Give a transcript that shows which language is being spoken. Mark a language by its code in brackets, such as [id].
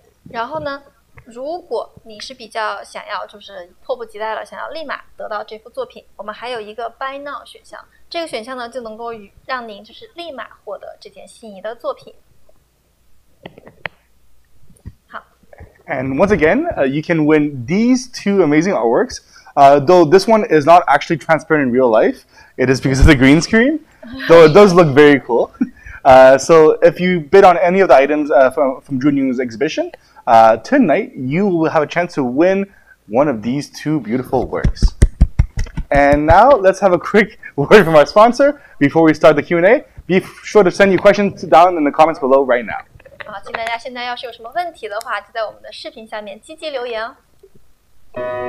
[zh] 然后呢，如果你是比较想要就是迫不及待了想要立马得到这幅作品，我们还有一个 buy now 选项，这个选项呢就能够让您就是立马获得这件心仪的作品。好， [en] and once again you can win these two amazing artworks though this one is not actually transparent in real life, it is because it's a green screen, though it does look very cool. So if you bid on any of the items from Jun Yung's exhibition,tonight, you will have a chance to win one of these two beautiful works. And now, let's have a quick word from our sponsor before we start the Q&A. Be sure to send your questions down in the comments below right now. [zh] 好，请大家现在要是有什么问题的话，就在我们的视频下面积极留言哦。